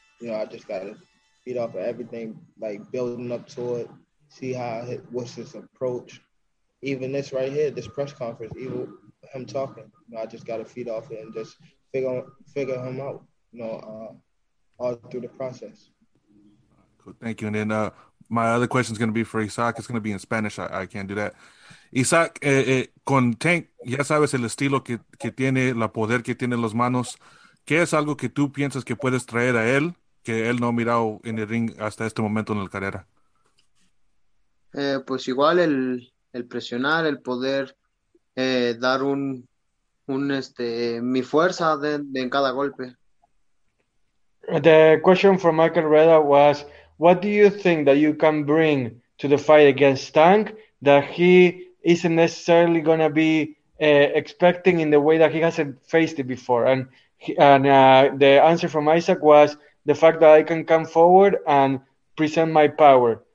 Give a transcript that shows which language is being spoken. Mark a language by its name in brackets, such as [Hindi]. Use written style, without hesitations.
[English] You know, I just got to feed off of everything, like building up to it, see how, what's his approach. Even this right here, this press conference, even him talking, you know, I just got to feed off it and just figure him out, you know, all through the process. Cool. Thank you. And then my other question is going to be for Issac. It's going to be in Spanish. I can't do that. [Spanish] Issac, con Tank, ya sabes el estilo que tiene, la poder que tiene las manos. ¿Qué es algo que tú piensas que puedes traer a él que él no ha mirado en el ring hasta este momento en la carrera? Pues igual el presionar, el poder dar un mi fuerza de en cada golpe. [English] The question from Michael Reda was, what do you think that you can bring to the fight against Tank that he isn't necessarily going to be expecting in the way that he hasn't faced it before? The answer from Issac was the fact that I can come forward and present my power.